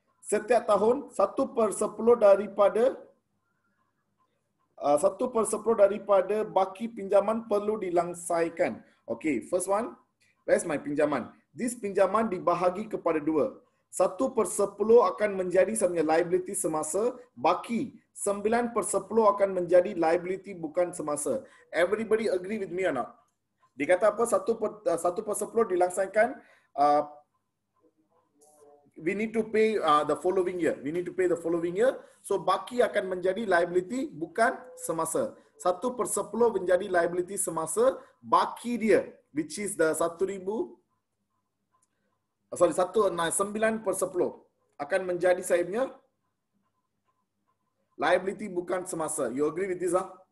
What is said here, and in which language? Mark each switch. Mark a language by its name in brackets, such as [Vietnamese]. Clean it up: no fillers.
[Malay] Setiap tahun, 1/10 daripada 1/10 daripada baki pinjaman perlu dilangsaikan. [English] Okay, first one, where's my pinjaman? [Malay] This pinjaman dibahagi kepada dua. 1/10 akan menjadi sebenarnya liability semasa, baki 9/10 akan menjadi liability bukan semasa. [English] Everybody agree with me or not? [Malay] Dia kata apa? [English] 1/10 [Malay] dilangsaikan, [English] we need to pay the following year. We need to pay the following year. [Malay] So, baki akan menjadi liability bukan semasa. 1/10 menjadi liability semasa, baki dia, [English] which is the 1,000, sorry, [Malay] 9/10 akan menjadi sahibnya liability bukan semasa. [English] You agree with this? Huh?